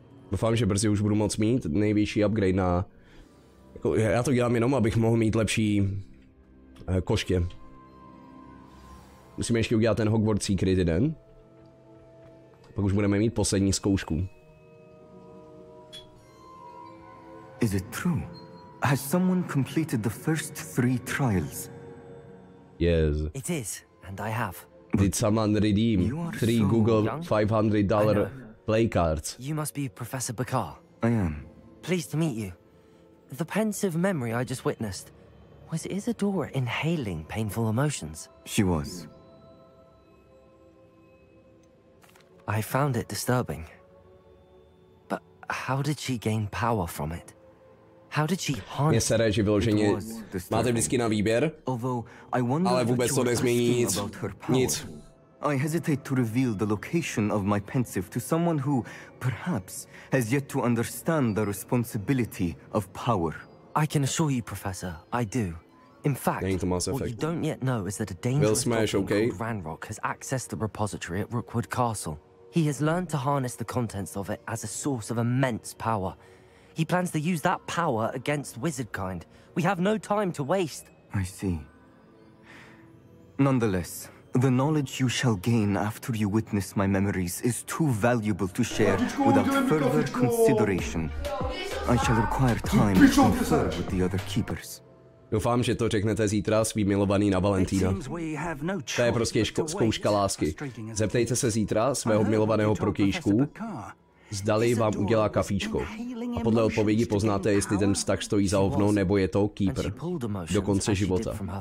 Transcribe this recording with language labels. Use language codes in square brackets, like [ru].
[cs] Doufám, že brzy už budu moct mít nejvyšší upgrade na... Já to dělám jenom, abych mohl mít lepší koště. Musíme ještě udělat ten Hogwarts Secret jeden. Pak už budeme mít poslední zkoušku. [en] Is it true? Has someone completed the first three trials? Yes. It is, and I have. Did someone redeem three so Google $500 play cards? You must be Professor Bakar. I am. Pleased to meet you. The pensive memory I just witnessed. Was Isadora inhaling painful emotions? She was. I found it disturbing. But how did she gain power from it? How did she harness? [cs] Mě sere, že vyloženě máte vždycky na výběr, ale vůbec to nezmění nic. [en] I hesitate to reveal the location of my pensive to someone who perhaps has yet to understand the responsibility of power. I can assure you, Professor, I do. In fact, what you don't yet know is that a dangerous Doctor called Ranrock has accessed the repository at Rookwood Castle. He has learned to harness the contents of it as a source of immense power. He plans to use that power against wizardkind. We have no time to waste. I see. Nonetheless, the knowledge you shall gain after you witness my memories is too valuable to share without further consideration. I shall require time to confer with the other keepers. [cs] Doufám, že to řeknete zítra svý milovaný na Valentína. To je prostě zkouška lásky. Zeptejte se zítra svého milovaného protějšku, zdali vám udělá kafíčko. A podle odpovědi poznáte, jestli ten vztah stojí za ovno, nebo je to keeper. Do konce života.